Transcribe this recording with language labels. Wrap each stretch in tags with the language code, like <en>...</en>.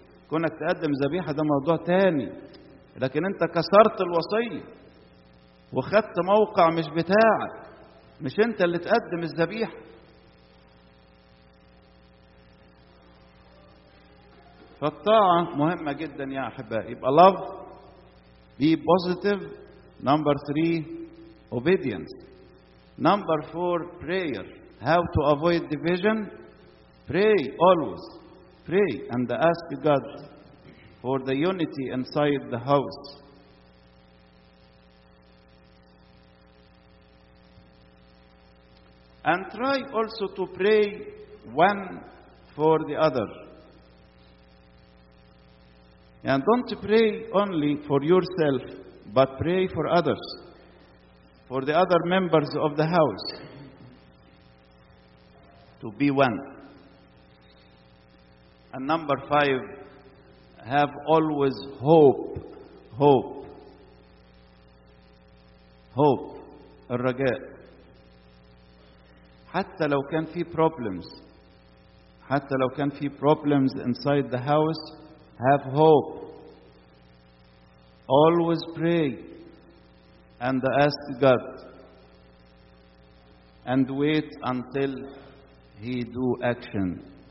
<ar>كونك تقدم ذبيحة ده موضوع تاني, لكن انت كسرت الوصية وخدت موقع مش بتاعك, مش انت اللي تقدم الذبيحة. فالطاعة مهمة جدا يا أحبائي. يبقى</ar> <en>love, be positive. Number 3, obedience. Number 4, prayer. how to avoid division? Pray always. Pray and ask God for the unity inside the house. And try also to pray one for the other. And don't pray only for yourself, but pray for others, for the other members of the house, to be one. And number five, have always hope. Hope. Hope. الرجاء.</en> <ar>حتى لو كان في problems. حتى لو كان في</ar> <en>problems inside the house, have hope. Always pray and ask God and wait until He do action.</en>